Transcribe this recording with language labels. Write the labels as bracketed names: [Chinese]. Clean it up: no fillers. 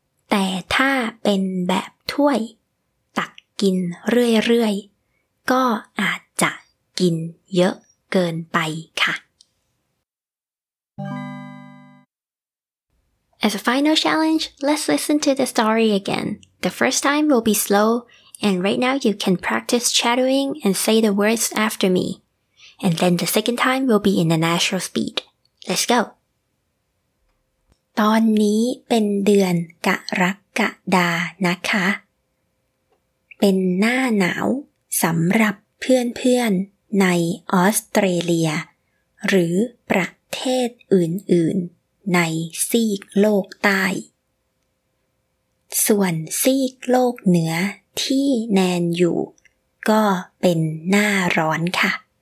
[Thai] แต่ถ้าเป็นแบบถ้วยตักกินเรื่อยๆก็อาจจะกินเยอะเกินไปค่ะ [English] As a final challenge, let's listen to the story again. The first time will be slow, and right now you can practice chattering and say the words after me. And then the second time will be in the natural speed. Let's go! [Thai] ตอนนี้เป็นเดือนกรกฎานะคะ เป็นหน้าหนาวสำหรับเพื่อนๆในออสเตรเลียหรือประเทศอื่นๆในซีกโลกใต้ส่วนซีกโลกเหนือที่แนนอยู่ก็เป็นหน้าร้อนค่ะ